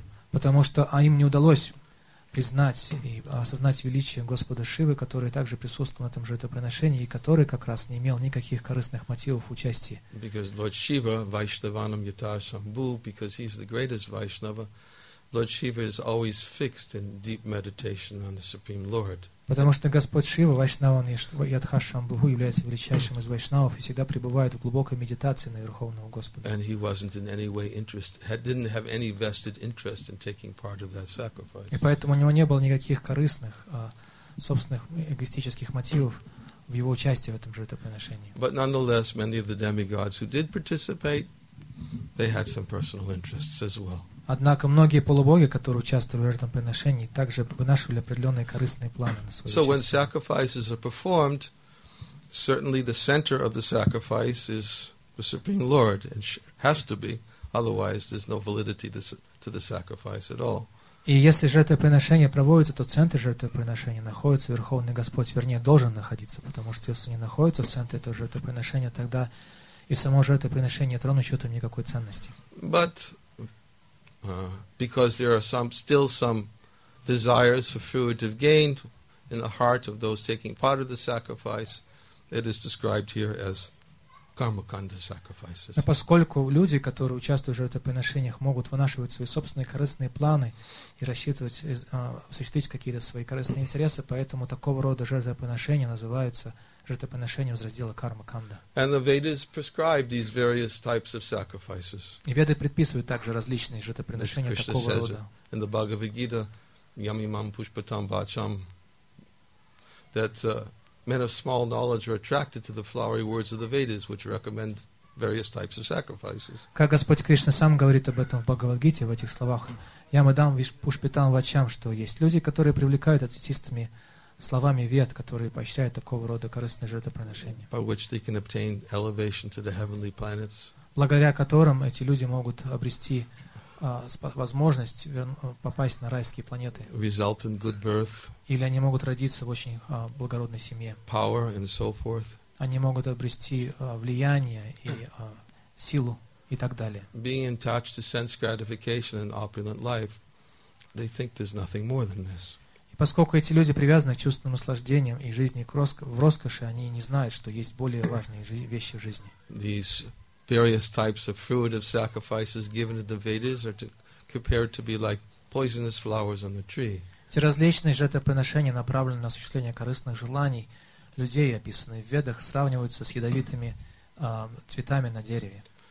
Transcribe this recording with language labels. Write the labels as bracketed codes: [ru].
[ru] Потому что им не удалось признать и осознать величие Господа Шивы, который также присутствовал на этом жертвоприношении, и который как раз не имел никаких корыстных мотивов участия. [en] Because Lord Shiva, [sa] Vaishnavanam Yatar Sambhu, [en] because he's the greatest Vaishnava, Lord Shiva is always fixed in deep meditation on the Supreme Lord. [ru] Потому что Господь Шива, Вайшнава, Ядхашамбху, является величайшим из вайшнавов и всегда пребывает в глубокой медитации на Верховного Господа. [en] And he wasn't in any way didn't have any vested interest in taking part of that sacrifice. [ru] И поэтому у него не было никаких корыстных, собственных эгоистических мотивов в его участии в этом жертвоприношении. [en] But nonetheless, many of the demigods who did participate They had some personal interests as well. [ru] Однако многие полубоги, которые участвовали в жертвоприношении, также вынашивали определенные корыстные планы на свою [en] So when sacrifices are performed, certainly the center of the sacrifice is the Supreme Lord, and has to be, otherwise there's no validity to the sacrifice at all. [ru] И если жертвоприношение проводится, то центр жертвоприношения находится Верховный Господь, вернее, должен находиться, потому что если не находится в центре этого жертвоприношения, тогда и само жертвоприношение нет ровным счетом никакой ценности. [en] But because there are some, still some desires for fruitive gain in the heart of those taking part of the sacrifice, it is described here as karmakanda sacrifices. [ru] Но поскольку люди, которые участвуют в жертвоприношениях, могут вынашивать свои собственные корыстные планы и рассчитывать, осуществить какие-то свои корыстные интересы, поэтому такого рода жертвоприношения называются жертвоприношением из раздела кармаканда. [en] And the Vedas prescribe these various types of sacrifices. [ru] И Веды предписывают также различные жертвоприношения такого рода. [en] In the Bhagavad Gita, [sa] yamimam pushpatam vacham, [en] that men of small knowledge are attracted to the flowery words of the Vedas, which recommend various types of sacrifices. [ru] Как Господь Кришна сам говорит об этом в Бхагавад-гите, в этих словах, [sa] «Ямадам вишпушпитам вачам», [ru] что есть люди, которые привлекают ответистыми словами Вед, которые поощряют такого рода корыстные жертвоприношения. [en] By which they can obtain elevation to the heavenly planets. [ru] Благодаря которым эти люди могут обрести возможность попасть на райские планеты. [en] Result in good birth. [ru] Или они могут родиться в очень благородной семье. [en] Power and so forth. [ru] Они могут обрести влияние и силу и так далее. [en] Being in touch to sense gratification and opulent life, they think there's nothing more than this. [ru] И поскольку эти люди привязаны к чувственным наслаждениям и жизни в роскоши, они не знают, что есть более важные вещи в жизни. [en] These various types of fruitive sacrifices given to the Vedas are compared to be like poisonous flowers on the tree. [ru] Эти различные жертвоприношения, направленные на осуществление корыстных желаний людей, описанные в Ведах, сравниваются с ядовитыми цветами на дереве.